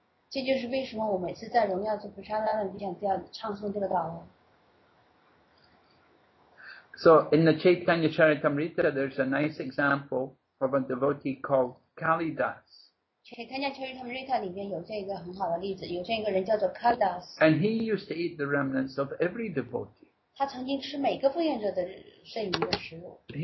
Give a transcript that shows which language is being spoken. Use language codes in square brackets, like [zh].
[zh] 这就是为什么我每次在荣耀做菩萨的时候，就要唱诵这个祷文。 [en] So in the Chaitanya Charitamrita, there's a nice example of a devotee called Kalidas. [zh] Chaitanya Charitamrita 里面有这个很好的例子，有这个人叫做 Kalidas. [en] And he used to eat the remnants of every devotee. [zh] 他曾经吃每个奉献者的剩余的食物。